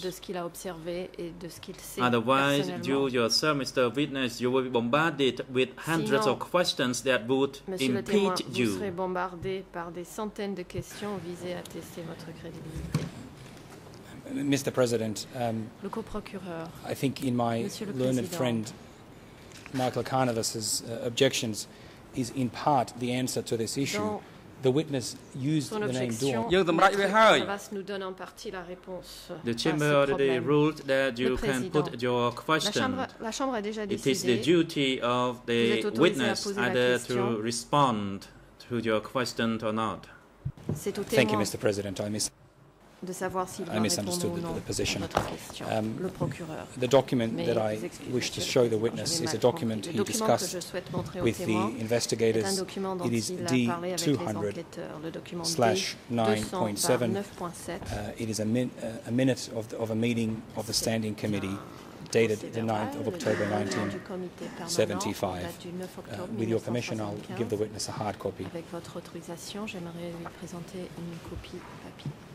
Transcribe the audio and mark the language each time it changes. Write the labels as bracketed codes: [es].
[fr] De ce qu'il a observé et de ce qu'il sait. [en] Otherwise, you yourself, Mr. Witness, you will be bombarded with hundreds of questions that would impede you. [fr] Vous serez bombardé par des centaines de questions visées à tester votre crédibilité. [en] Mr. President, [fr] le co-procureur, [en] I think in my learned friend Michael Carnevas's objections is in part the answer to this issue. [fr] Dans [en] the witness used the name Dorn. The chamber already ruled that you can put your question. [fr] La chambre a déjà [en] it is the duty of the witness either to respond to your question or not. Thank you, Mr. President. I misunderstood the position. [fr] Le procureur. [en] The document that I wish to show the witness is a document he discussed with the investigators. It is D200/9.7. It is a minute of a meeting of the Standing Committee dated the 9th of October 1975. With your permission, I'll give the witness a hard copy. [fr] Avec votre autorisation, j'aimerais lui présenter une copie papier.